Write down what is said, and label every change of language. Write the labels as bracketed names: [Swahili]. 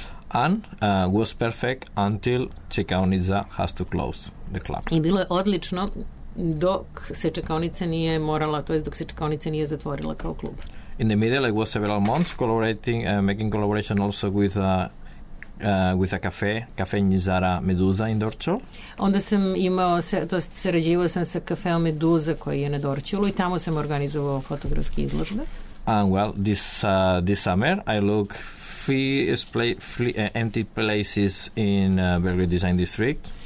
[English] And was perfect until Čekaonica has to close the club. [Serbian] I bilo je odlično dok se Čekaonica nije morala, to jest dok se Čekaonica nije zatvorila kao klub. [English] In the middle, I was several months collaborating, making collaboration also with With a cafe, Cafe Nizara Meduza in Dorćolu. [Serbian] Onda sam imao, to je sarađivao sam sa kafeom Meduza koji je na Dorćolu i tamo sam organizovao fotografske izložbe. [English] And well, this summer I look empty places in Belgrade Design District.